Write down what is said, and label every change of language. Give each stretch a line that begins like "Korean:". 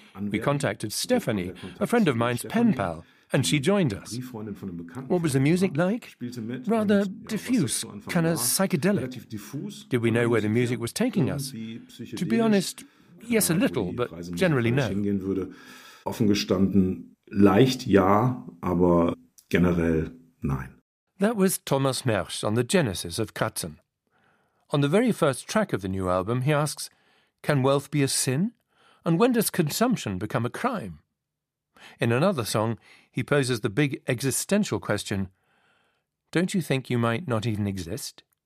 English: We contacted Stephanie, a friend of mine's pen pal, and she joined us. What was the music like? Rather diffuse, kind of psychedelic. Did we know where the music was taking us? To be honest, yes, a little, but generally no.
German: Offen gestanden, leicht ja, aber generell nein.
English: That was Thomas Mersch on the genesis of Katzen. On the very first track of the new album, he asks, can wealth be a sin? And when does consumption become a crime? In another song, he poses the big existential question, don't you think you might not even exist?